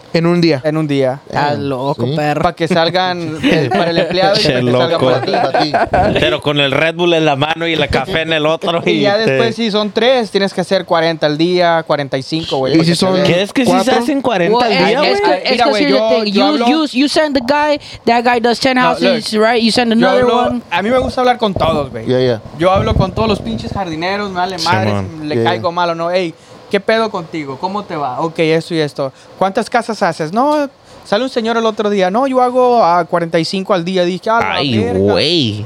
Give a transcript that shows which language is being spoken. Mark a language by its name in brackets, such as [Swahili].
[Spanish] En un día. En un día. Ah, loco, ¿sí? Perro. Para que salgan para el empleado y para que salgan para ti. Pero con el Red Bull en la mano y el café en el otro. Y ya después, si son tres, tienes que hacer 40 al día, 45, güey. ¿Y si son qué es que cuatro? Si se hacen 40 al día, güey? Es que [English] here's the thing. You send the guy, that guy does 10 houses, right? You send another one. [Spanish] A mí me gusta hablar con todos, güey. [English] Yeah, yeah. [Spanish] Yo hablo con todos los pinches jardineros, me vale madre, le caigo mal o no. Ey, ¿qué pedo contigo? ¿Cómo te va? Ok, esto y esto. ¿Cuántas casas haces? No, sale un señor el otro día. No, yo hago 45 al día. Dije, ay, güey.